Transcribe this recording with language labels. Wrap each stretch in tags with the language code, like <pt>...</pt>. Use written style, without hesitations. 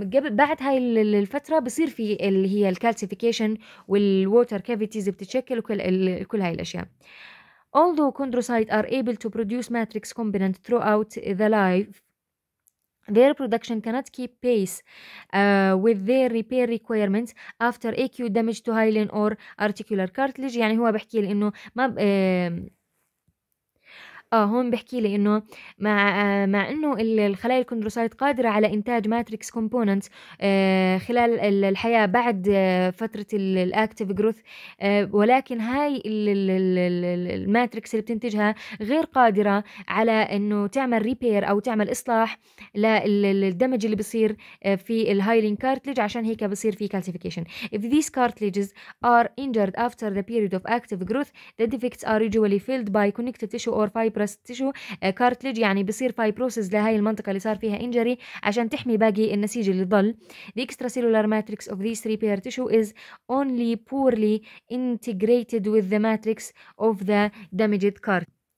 <ar>بعد هاي الفترة بصير في اللي هي الكالسيفيكيشن والووتر كافيتيز بتتشكل وكل هاي الأشياء.</ar> <en>Although chondrocytes are able to produce matrix component throughout the life, their production cannot keep pace with their repair requirements after acute damage to hyaline or articular cartilage.</en> <ar>يعني هو بحكي لي انه ما هون بحكي لي انه مع انه الخلايا الكوندروسايت قادرة على انتاج ماتريكس كومبوننت خلال الحياة بعد فترة الاكتيف جروث، ولكن هاي الماتريكس اللي بتنتجها غير قادرة على انه تعمل ريبير او تعمل اصلاح للدمج اللي بصير في الهايلين كارتليج، عشان هيك بصير في كالسيفيكيشن.</ar> <en>If these cartilages are injured after the period of active growth, the defects are usually filled by connective tissue or fiber تشو cartilage.</en> <ar>يعني بصير فايبروسيس لهي المنطقه اللي صار فيها انجري عشان تحمي باقي النسيج اللي ضل.</ar> <en>The extracellular matrix of these repair tissue is only poorly integrated with the matrix of the damaged cartilage.</en>